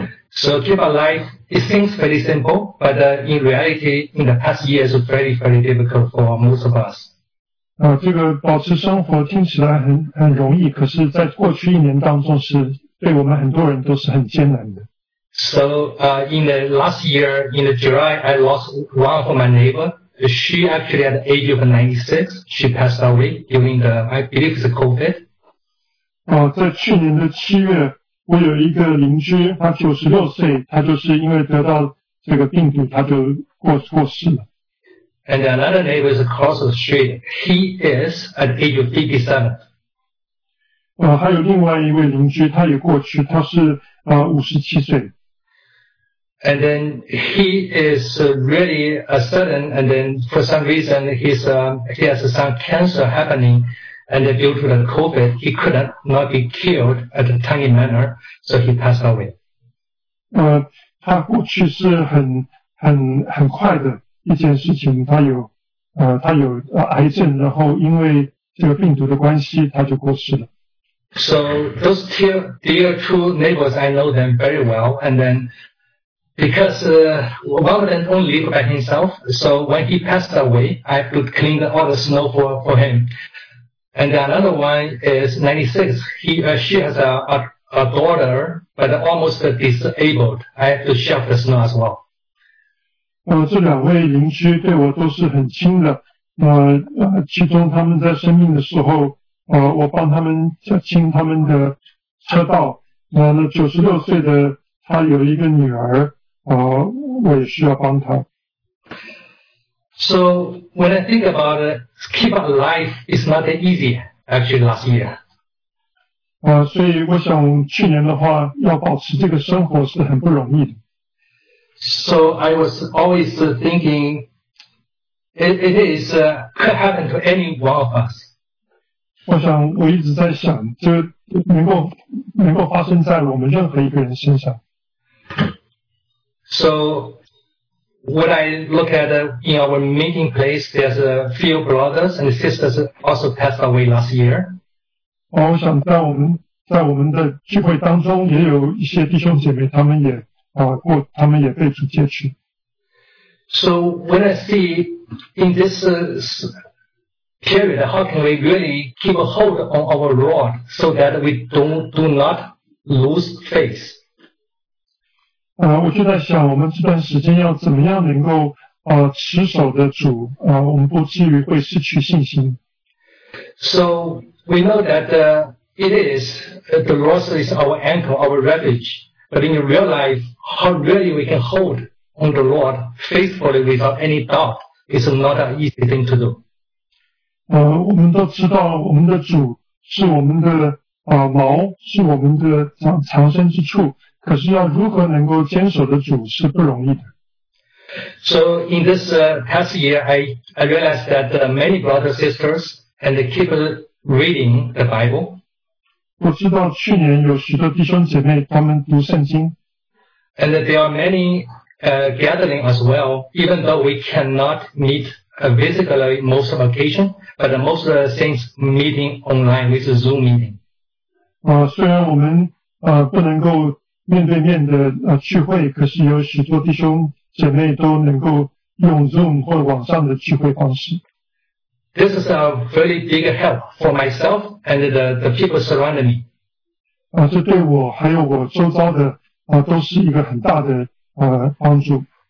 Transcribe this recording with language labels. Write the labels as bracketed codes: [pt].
[en] So keep alive, it seems pretty simple, but in reality, in the past years, it's very, very difficult for most of us. [zh] 这个保持生活听起来很容易，可是在过去一年当中是对我们很多人都是很艰难的。 [en] So in the last year, in the July, I lost one of my neighbors. She actually at the age of 96, she passed away during the, I believe it's COVID. [zh] 在去年的七月，我有一个邻居，他96岁，他就是因为得到这个病毒，他就过世了。 [en] And another neighbor is across the street. He is at the age of 57. [zh] 还有另外一位邻居，他也过去，他是57岁。 [en] And then he is really a sudden, and then for some reason he has some cancer happening, and then due to the COVID, he could not be cured at a timely manner, so he passed away. [zh] 他过去是很快的一件事情，他有癌症，然后因为这个病毒的关系，他就过世了。 [en] So those dear two neighbors, I know them very well, and then Because one of them only lived by himself, so when he passed away, I could clean all the snow for him. And another one is 96. She has a daughter, but almost disabled. I have to shovel the snow as well. [zh] 这两位邻居对我都是很亲的。其中他们在生病的时候，我帮他们清他们的车道。那96岁的他有一个女儿。我也需要帮他。 [en] So when I think about it, keep up life is not that easy. Actually, last year. [zh] 所以我想去年的话，要保持这个生活是很不容易的。 [en] So I was always thinking, it is could happen to any one of us. [zh] 我想我一直在想，就能够发生在我们任何一个人身上。 [en] So, when I look at in our meeting place, there's a few brothers and sisters also passed away last year. [zh] 我想在我们的聚会当中，也有一些弟兄姐妹，他们也被主接去。 [en] So when I see in this period, how can we really keep a hold on our Lord so that we do not lose faith? [zh] 我就在想，我们这段时间要怎么样能够持守的主我们不至于会失去信心。 [en] So we know that it is the Lord is our anchor, our refuge. But in real life, how really we can hold on the Lord faithfully without any doubt is not an easy thing to do. [zh] 我们都知道，我们的主是我们的锚，是我们的藏身之处。可是要如何能够坚守的主是不容易的。 [en] So in this past year, I realized that many brothers and sisters and keep reading the Bible. [zh] 我知道去年有许多弟兄姐妹他们读圣经。 [en] And there are many gathering as well, even though we cannot meet physically most of occasion, but most of the things meeting online with Zoom meeting. [zh] 虽然我们不能够面对面的聚会，可是有许多弟兄姐妹都能够用 Zoom 或网上的聚会方式。 [en] This is a very big help for myself and the people surrounding me. [zh] 这对我还有我周遭的都是一个很大的帮助。